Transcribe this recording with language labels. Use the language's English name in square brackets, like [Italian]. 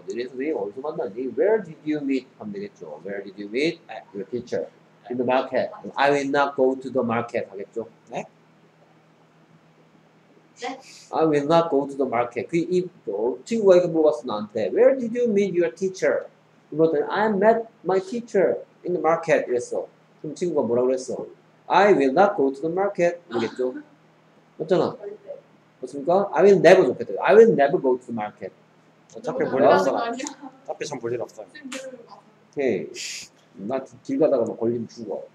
[Korean] 너희 선생님 어디서 만났니? [English] Where did you meet? [Korean] 하면 되겠죠. [English] Where did you meet your teacher? In the market. I will not go to the market. [Korean] 하겠죠. 네? 네? [English] I will not go to the market. [Korean] 그 이 친구가 이렇게 물어봤어 나한테. [English] Where did you meet your teacher? [Korean] 그랬더니 [English] I met my teacher in the market. [Korean] 이랬어. 그럼 친구가 뭐라고 그랬어? [English] I will not go to the market. [Korean] 하겠죠. 맞잖아. 맞습니까? [English] I will never [Korean] 좋겠다. [English] I will never go to the market. [Korean] 어차피 볼일 없어. 어차피 전 볼일 없어. 오케이. 나 길 가다가 막 걸리면 죽어.